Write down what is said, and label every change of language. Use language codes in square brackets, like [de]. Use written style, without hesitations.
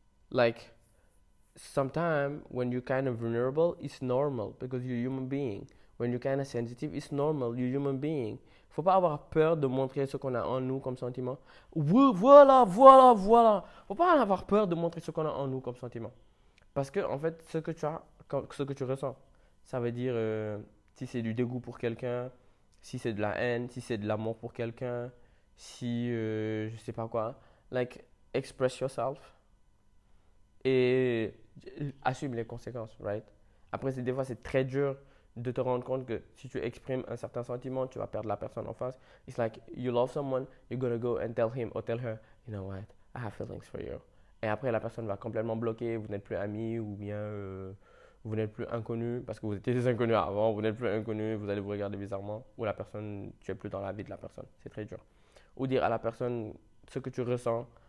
[en] Like, sometimes when you're kind of vulnerable, it's normal because you're a human being. When you're kind of sensitive, it's normal, you're a human being. [fr] Faut pas avoir peur de montrer ce qu'on a en nous comme sentiment. Voilà. Faut pas avoir peur de montrer ce qu'on a en nous comme sentiment. Parce que, en fait, ce que tu ressens, ça veut dire si c'est du dégoût pour quelqu'un, si c'est de la haine, si c'est de l'amour pour quelqu'un, si je sais pas quoi. [en] Like, express yourself. [fr] Et assume les conséquences, right? Après, des fois, c'est très dur de te rendre compte que si tu exprimes un certain sentiment, tu vas perdre la personne en face. [en] It's like, you love someone, you're gonna go and tell him or tell her, you know what, I have feelings for you. [fr] Et après, la personne va complètement bloquer, vous n'êtes plus amis ou bien vous n'êtes plus inconnu parce que vous étiez des inconnus avant, vous n'êtes plus inconnu, vous allez vous regarder bizarrement ou la personne, tu es plus dans la vie de la personne. C'est très dur. Ou dire à la personne ce que tu ressens.